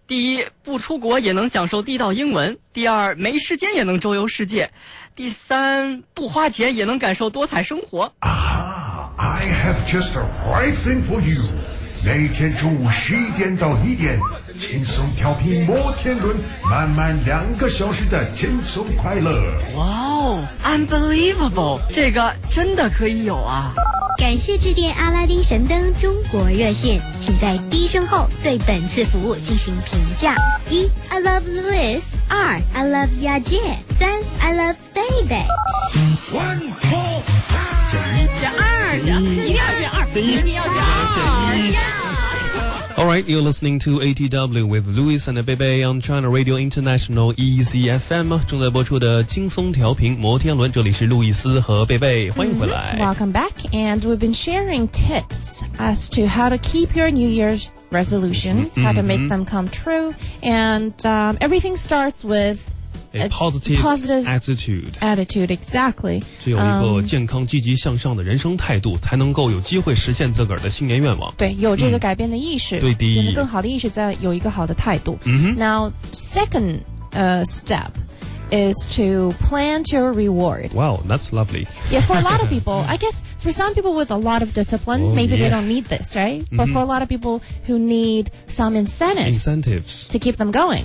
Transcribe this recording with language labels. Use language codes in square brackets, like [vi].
[zh] 第一，不出国也能享受地道英文。第二，没时间也能周游世界。第三，不花钱也能感受多彩生活。 [en] Aha, I have just the right thing for you. [zh] 每天中午11点到1点，轻松调频摩天轮，满满两个小时的轻松快乐。哇哦 ， [en] unbelievable， [zh] 这个真的可以有啊。感谢致电阿拉丁神灯中国热线，请在低声后对本次服务进行评价。 [en] 一 ，I love Louis。二 ，I love Yajie。三 ，I love Baby。 One, two, three。 [zh] 选一，选二，选一，一定要选二，一定要选二，选一。 [en] All right, you're listening to ATW with Louis and Bebe on China Radio International EZFM [zh] 正在播出的轻松调频摩天轮，这里是路易斯和贝贝，欢迎回来。 [en] Welcome back, and we've been sharing tips as to how to keep your New Year's resolution, how to make them come true, and everything starts with A positive attitude, exactly. [zh] 只有一个健康积极向上的人生态度，才能够有机会实现自个儿的新年愿望。对，有这个改变的意识，对的，有一个更好的意识，再有一个好的态度。 [en] Now, second step is to plan your reward. Wow, that's lovely. Yeah, for a lot of people, I guess for some people with a lot of discipline, they don't need this, right? Mm-hmm. But for a lot of people who need some incentives to keep them going.